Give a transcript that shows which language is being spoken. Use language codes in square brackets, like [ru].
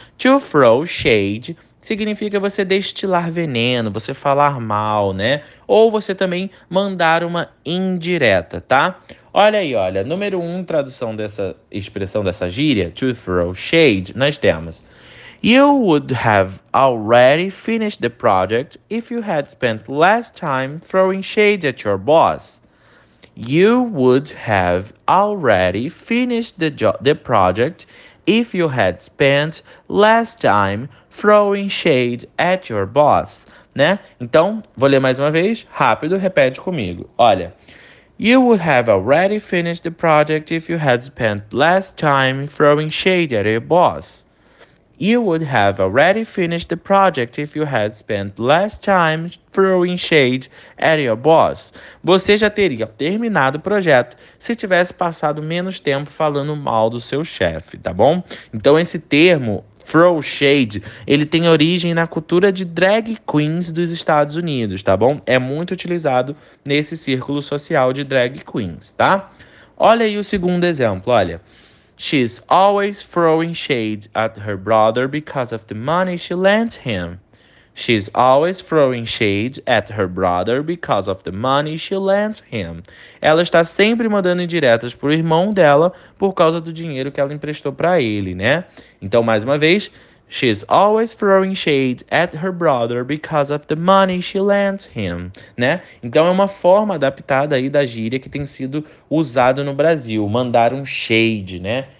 [pt] To throw shade significa você destilar veneno, você falar mal, né? Ou você também mandar uma indireta, tá? Olha aí, olha, número um, tradução dessa expressão, dessa gíria, to throw shade, nós temos. [en] You would have already finished the project if you had spent less time throwing shade at your boss. You would have already finished the project if you had spent less time throwing shade at your boss, né? [pt] Então, vou ler mais uma vez, rápido, repete comigo. Olha. [en] You would have already finished the project if you had spent less time throwing shade at your boss. You would have already finished the project if you had spent less time throwing shade at your boss. [pt] Você já teria terminado o projeto se tivesse passado menos tempo falando mal do seu chefe, tá bom? Então esse termo throw shade, ele tem origem na cultura de drag queens dos Estados Unidos, tá bom? É muito utilizado nesse círculo social de drag queens, tá? Olha aí o segundo exemplo, olha. [en] She's always throwing shade at her brother because of the money she lent him. She's always throwing shade at her brother because of the money she lent him. [pt] Ela está sempre mandando indiretas para o irmão dela por causa do dinheiro que ela emprestou para ele, né? Então, mais uma vez, [en] she's always throwing shade at her brother because of the money she lent him, né? [pt] Então é uma forma adaptada aí da gíria que tem sido usada no Brasil, mandar um shade, né?